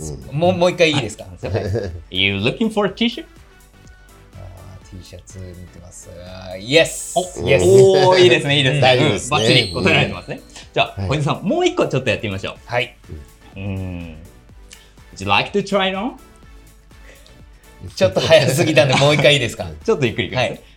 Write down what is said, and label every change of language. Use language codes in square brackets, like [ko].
[ja] うん、もう一回いいですか。 [en] はい、You looking for a t-shirt? [ja] T シャツ見てます。 [en] Yes! Yes! [ja] おお、いいですね、いいですね。大丈夫ですね。バッチリ答えられてますね。うん、じゃあ、小泉さん、もう一個ちょっとやってみましょう。はい。 [en] Would you like to try it on? [ja] ちょっと早すぎたんで、もう一回いいですか。ちょっとゆっくりください。